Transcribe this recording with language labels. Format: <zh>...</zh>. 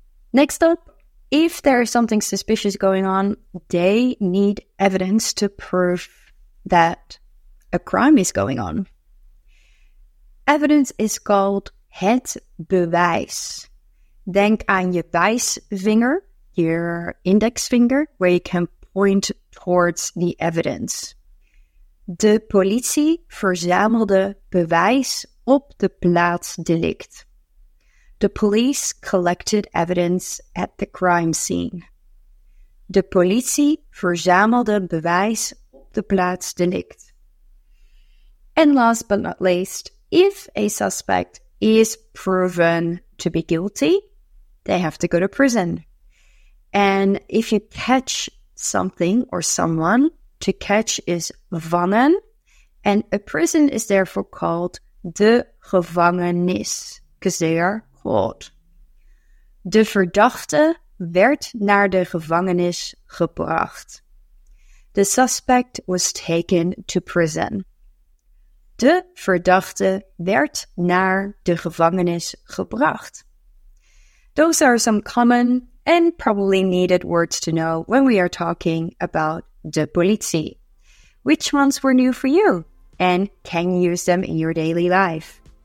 <en>Next up, if there is something suspicious going on, they need evidence to prove that a crime is going on. Evidence is called het bewijs.</en> <nl>Denk aan je wijsvinger,</nl> <en>your index finger, where you can point towards the evidence.</en> <nl>De politie verzamelde bewijs op de plaats delict.</nl> <en>The police collected evidence at the crime scene.</en> <nl>De politie verzamelde bewijs op de plaats delict.</nl> <en>And last but not least, if a suspect is proven to be guilty, they have to go to prison. And if you catch something or someone, to catch is vangen, and a prison is therefore called de gevangenis, because they are caught.</en> <nl>De verdachte werd naar de gevangenis gebracht.</nl> <en>The suspect was taken to prison.</en> <nl>De verdachte werd naar de gevangenis gebracht.</nl> <en>Those are some common and probably needed words to know when we are talking about de politie. Which ones were new for you? And can you use them in your daily life?</en>